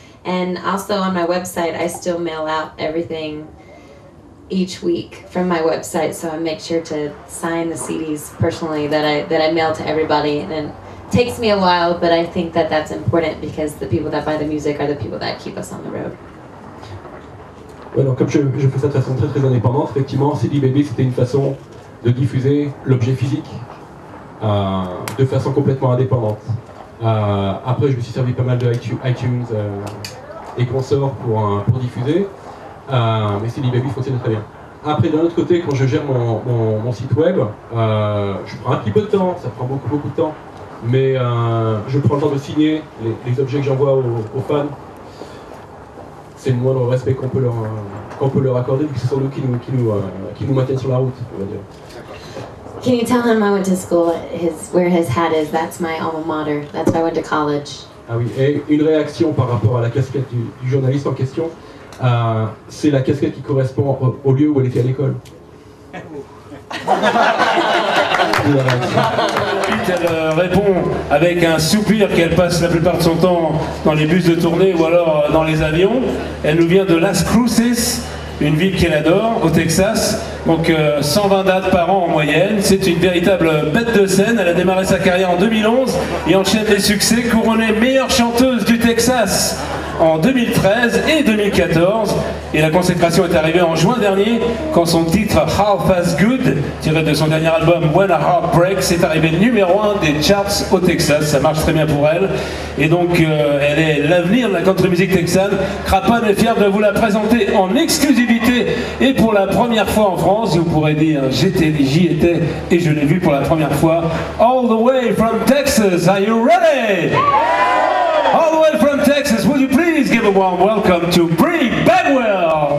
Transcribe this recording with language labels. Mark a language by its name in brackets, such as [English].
[English] And also on my website, I still mail out everything each week from my website, so I make sure to sign the CDs personally that I mail to everybody. And it takes me a while, but I think that that's important because the people that buy the music are the people that keep us on the road. [French] Ouais, donc comme je fais ça de façon très très indépendante, effectivement, CD Baby c'était une façon de diffuser l'objet physique de façon complètement indépendante. Après, je me suis servi pas mal de iTunes et consorts pour diffuser. Mais CD Baby fonctionne très bien. Après, d'un autre côté, quand je gère mon site web, je prends un petit peu de temps, ça prend beaucoup beaucoup de temps, mais je prends le temps de signer les objets que j'envoie aux fans. C'est le moindre respect qu'on peut leur accorder, vu que ce sont eux qui nous maintiennent sur la route, on va dire. [English] Can you tell him I went to school, where his hat is? That's my alma mater. That's why I went to college. [French] Ah oui, et une réaction par rapport à la casquette du journaliste en question, c'est la casquette qui correspond au lieu où elle était à l'école. Puis elle répond avec un soupir qu'elle passe la plupart de son temps dans les bus de tournée ou alors dans les avions. Elle nous vient de Las Cruces, une ville qu'elle adore, au Texas. Donc 120 dates par an en moyenne. C'est une véritable bête de scène. Elle a démarré sa carrière en 2011 et enchaîne les succès, couronnée meilleure chanteuse du Texas en 2013 et 2014. Et la consécration est arrivée en juin dernier quand son titre Half As Good, tiré de son dernier album When A Heart Breaks, est arrivé numéro 1 des charts au Texas. Ça marche très bien pour elle. Et donc elle est l'avenir de la country music texane. Craponne est fier de vous la présenter en exclusivité et pour la première fois en France. Vous pourrez dire j'y étais et je l'ai vu pour la première fois. [English] All the way from Texas, are you ready? All the way from Texas, would you please give a warm welcome to Bri Bagwell?